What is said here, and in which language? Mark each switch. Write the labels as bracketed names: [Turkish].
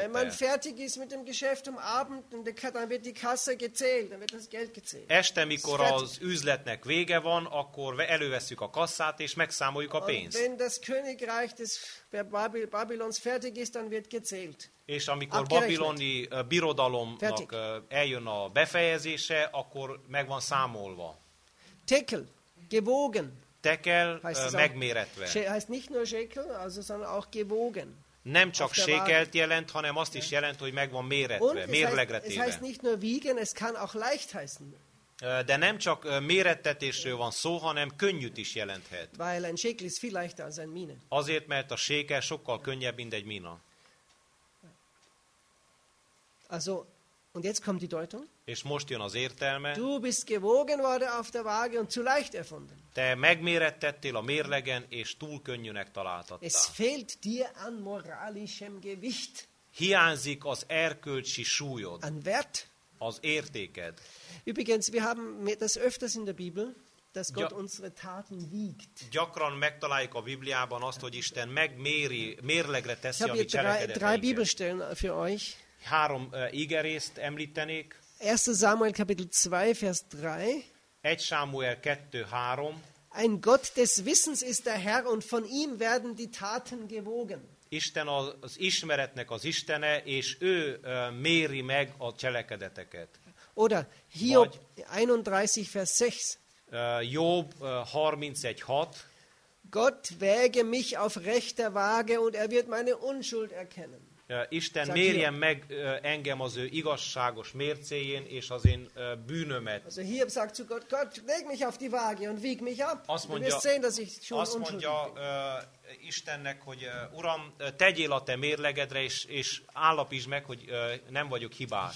[German] Wenn man fertig ist mit dem Geschäft am Abend, dann wird die Kasse gezählt, dann wird das Geld gezählt. [Hungarian] Este, mikor az üzletnek vége van, akkor elővesszük a kasszát, és megszámoljuk a pénzt. [German] Und wenn das Königreich des Babylons fertig ist, dann wird gezählt. [Hungarian] És amikor babiloni birodalomnak eljön a befejezése, akkor meg van számolva. [German] Tekel, gewogen. [Hungarian] Tekel, megméretve. [German] Heißt nicht nur Shekel, also sondern auch gewogen. [Hungarian] Nem csak Shekelt jelent, hanem azt is jelent, hogy meg van méretve, [German] und [Hungarian] mérlegre téve. [German] Es heißt nicht nur wiegen, es kann auch leicht heißen. [Hungarian] De nem csak mérettetésről van szó, hanem könnyűt is jelenthet. [German] Weil ein Shekel ist viel leichter als ein Mine. [Hungarian] Azért, mert a Shekel sokkal könnyebb, mint egy mina. [German] Also, und jetzt kommt die Deutung. [Hungarian] És most jön az értelme. [German] Du bist gewogen worden auf der Waage und zu leicht erfunden. [Hungarian] Te megmérettettél a mérlegen, és túl könnyűnek találtattál. [German] Es fehlt dir an moralischem Gewicht. [Hungarian] Hiányzik az erkölcsi súlyod. [German] An Wert. [Hungarian] Az értéked. [German] Übrigens, wir haben das öfters in der Bibel, dass Gott unsere Taten wiegt. [Hungarian] Gyakran megtaláljuk a Bibliában azt, hogy Isten megméri, mérlegre teszi a mi cselekedeteinket. [German] Ich habe hier drei Bibelstellen für euch. [Hungarian] Három igerészt említenék. [German] 1. Samuel Kapitel 2, Vers 3. [Hungarian] 1 Samuel 2, 3. [German] Ein Gott des Wissens ist der Herr, und von ihm werden die Taten gewogen. [Hungarian] Isten az ismeretnek az Istene, és ő méri meg a cselekedeteket. [German] Oder Hiob 31, Vers 6. [Hungarian] Job 31, 6. [German] Gott wäge mich auf rechter Waage, und er wird meine Unschuld erkennen. [Hungarian] Isten mérjen meg engem az ő igazságos mércéjén, és az én bűnömet. [German] Also Hiob sagt zu Gott, Gott, leg mich auf die Waage und wieg mich ab. [Hungarian] Azt mondja, Istennek, hogy Uram, tegyél a te mérlegedre, és állapítsd meg, hogy nem vagyok hibás.